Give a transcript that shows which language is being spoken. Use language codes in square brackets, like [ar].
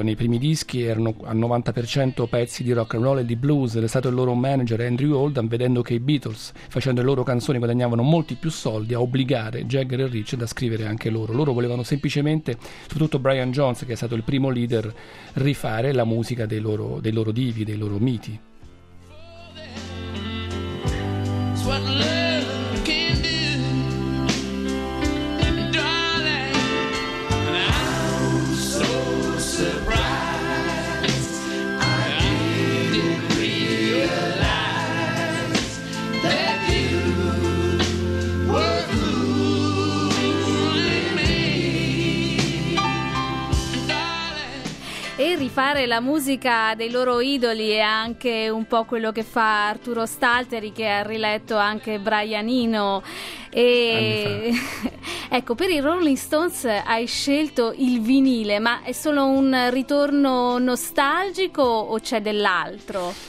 [it] Nei primi dischi erano al 90% pezzi di rock and roll e di blues, ed è stato il loro manager Andrew Oldham, vedendo che i Beatles facendo le loro canzoni guadagnavano molti più soldi, a obbligare Jagger e Richard a scrivere anche loro volevano semplicemente, soprattutto Brian Jones, che è stato il primo leader, rifare la musica dei loro divi, dei loro miti. [en] What love can do, darling, and I'm so surprised. I didn't realize that you were fooling me. [it] e rifare la musica dei loro idoli è anche un po' quello che fa Arturo Stalteri, che ha riletto anche Brian Eno. E ecco, per i Rolling Stones hai scelto il vinile, ma è solo un ritorno nostalgico o c'è dell'altro?